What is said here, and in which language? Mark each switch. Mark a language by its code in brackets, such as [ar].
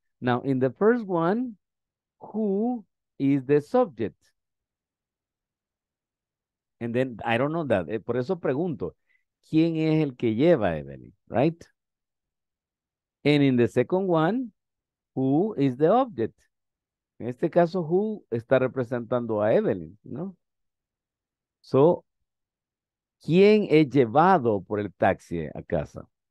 [en] Now, in the first one, who is the subject? And then, I don't know that. [es] Por eso pregunto, ¿quién es el que lleva a Evelyn? [en] Right? And in the second one, who is the object? [es] En este caso, [en] who [es] está representando a Evelyn, ¿no? So, ¿quién es llevado por el taxi a casa?